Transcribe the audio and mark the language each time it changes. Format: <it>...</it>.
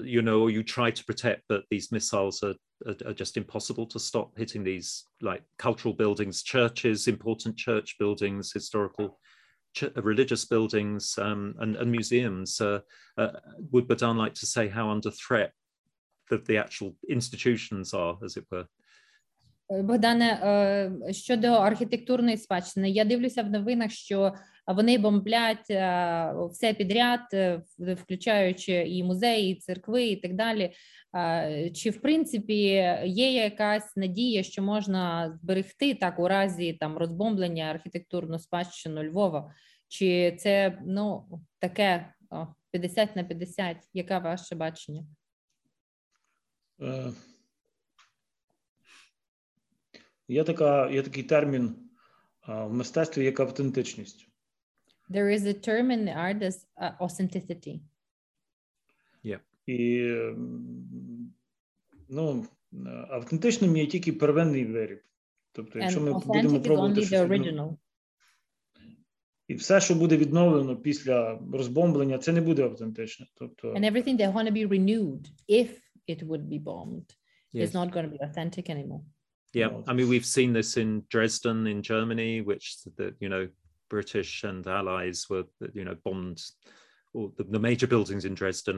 <en>Or you try to protect, but these missiles are just impossible to stop hitting these, like, cultural buildings, churches, important church buildings, historical religious buildings, and museums. Would Bohdan like to say how under threat the actual institutions are, as it were?</en> <uk>Богдане, щодо архітектурної спадщини, я дивлюся в новинах, що вони бомблять все підряд, включаючи і музеї, і церкви, і так далі. Чи, в принципі, є якась надія, що можна зберегти так у разі там розбомблення архітектурну спадщину Львова? Чи це, ну, таке 50 на 50? Яке ваше бачення? Є такий термін в мистецтві, як автентичність.</uk> <en>There is a term in the art as authenticity. Yeah.</en> <uk>І автентичним є тільки первинний виріб. Тобто, якщо ми будемо пробувати щось оригінал. І все, що буде відновлено після розбомблення, це не буде автентично. Тобто,</uk> <en>and everything that wanna be renewed if it would be bombed, yes, is not gonna be authentic anymore. Yeah, I mean, we've seen this in Dresden in Germany, which the British and allies were bombed all the major buildings in Dresden.</en>